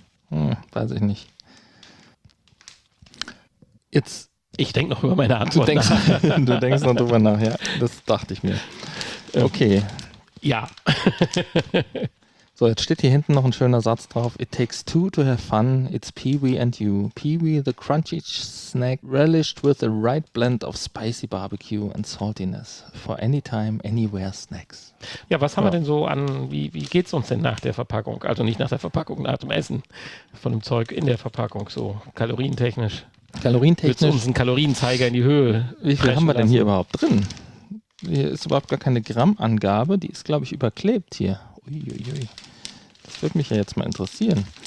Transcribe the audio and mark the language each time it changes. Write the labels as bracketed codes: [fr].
[de] Weiß ich nicht. Jetzt... Ich denke noch über meine Antwort Du denkst noch drüber nach, ja. Das dachte ich mir. Okay. Ja. So, jetzt steht hier hinten noch ein schöner Satz drauf. [en] It takes two to have fun. It's Peewee and you. Peewee, the crunchy snack, relished with the right blend of spicy barbecue and saltiness. For anytime, anywhere snacks. [de] Ja, was haben wir denn so an, wie geht's uns denn nach der Verpackung? Also nicht nach der Verpackung, nach dem Essen von dem Zeug in der Verpackung, so kalorientechnisch. Kalorientechnisch. Willst du uns einen Kalorienzeiger in die Höhe? Wie viel haben wir denn hier überhaupt drin? hier ist überhaupt gar keine Grammangabe. Die ist, glaube ich, überklebt hier. Uiuiui. Das würde mich ja jetzt mal interessieren.